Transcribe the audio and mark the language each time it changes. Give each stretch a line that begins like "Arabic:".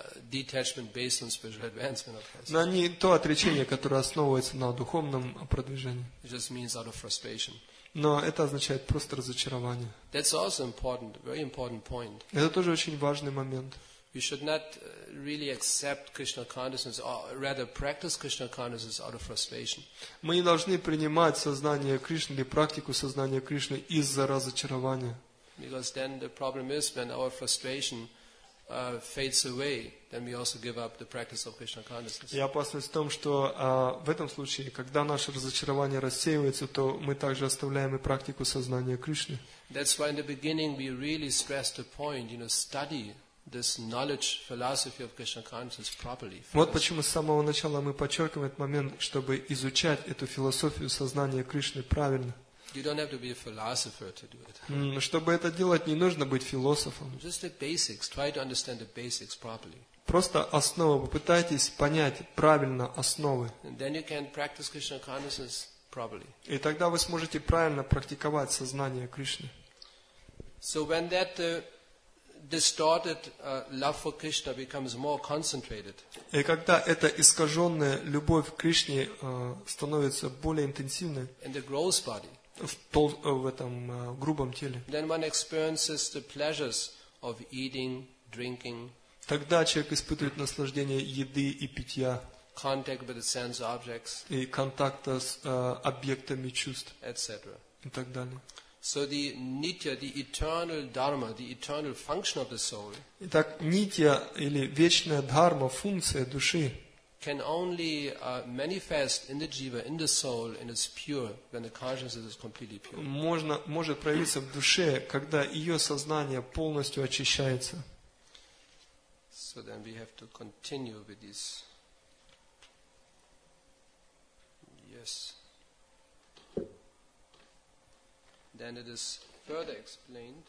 English: Detachment based on spiritual advancement, of course.
Russian: Но не то отречение, которое основывается на духовном продвижении.
English: It just means out of frustration.
Russian: Но это означает просто разочарование.
English: That's also important, very important point.
Russian: Это тоже очень важный момент.
English: We should not really accept Krishna consciousness, or rather practice Krishna consciousness out of frustration.
Russian: Мы не должны принимать сознание Кришны или практику сознания Кришны из-за разочарования.
English: Because then the problem is when our frustration fades away, then we also give up the practice of Krishna consciousness.
Russian: И опасность в том, что в этом случае, когда наше разочарование рассеивается, то мы также оставляем и практику сознания Кришны.
English: That's why in the beginning we really stressed the point, you know, study this knowledge philosophy of Krishna consciousness properly.
Russian: Вот почему с самого начала мы подчеркиваем этот момент, чтобы изучать эту философию сознания Кришны правильно.
English: You don't have to be a philosopher to do it.
Russian: Чтобы это делать, не нужно быть философом.
English: Just the basics. Try to understand the basics properly.
Russian: Просто основы. Попытайтесь понять правильно основы.
English: And then you can practice Krishna consciousness properly.
Russian: И тогда вы сможете правильно практиковать сознание Кришны.
English: So when that distorted love for Krishna becomes more concentrated.
Russian: И когда эта искаженная любовь к Кришне становится более интенсивной.
English: In the gross body.
Russian: В этом грубом теле.
English: Then one experiences the pleasures of eating, drinking.
Russian: Тогда человек испытывает наслаждение еды и питья.
English: Contact with the sense objects.
Russian: И контакта с объектами чувств.
English: Etc.
Russian: И так далее.
English: So the nitya, the eternal dharma, the eternal function of the soul.
Russian: Итак, нитья или вечная дхарма, функция души.
English: Can only manifest in the jiva, in the soul, and it's pure when the consciousness is completely pure.
Russian: Может проявиться в душе, когда ее сознание полностью очищается.
English: So then we have to continue with this. Yes. Then it is further explained.